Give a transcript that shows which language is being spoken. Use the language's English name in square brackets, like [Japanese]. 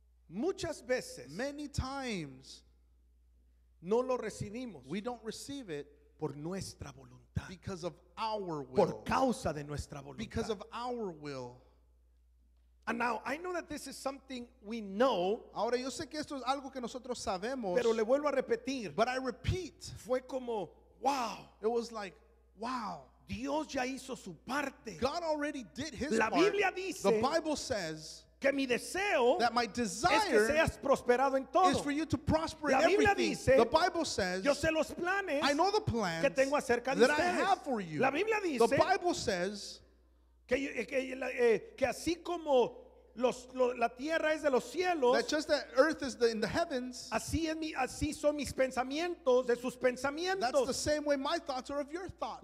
[Spanish] Muchas veces, [English] many times, [Spanish] no lo recibimos. [English] We don't receive it [Spanish] por nuestra voluntad. [English] Because of our will. [Spanish] Por causa de nuestra voluntad. [English] Because of our will. And now I know that this is something we know. [Spanish] Ahora yo sé que esto es algo que nosotros sabemos. Pero le vuelvo a repetir. [English] But I repeat. [Spanish] Fue como wow. [English] It was like wow. [Spanish] Dios ya hizo su parte. [English] God already did his part. [Spanish] La Biblia dice. [English] The Bible says. [Spanish] Que mi deseo, [English] that my desire, [Spanish] es que seas prosperado en todo, [English] is for you to prosper [Spanish] la [English] in everything. [Spanish] Dice, [English] the Bible says, [Spanish] yo sé los planes, [English] I know the plans [Spanish] que tengo acerca [English] that [Spanish] de ustedes. [English] I have for you. [Spanish] La Biblia dice, [English] the Bible says, [Spanish] que así como la tierra es de los cielos, [English] that just that earth is in the heavens, [Spanish] así son mis pensamientos de sus pensamientos. [English] That's the same way my thoughts are of your thoughts.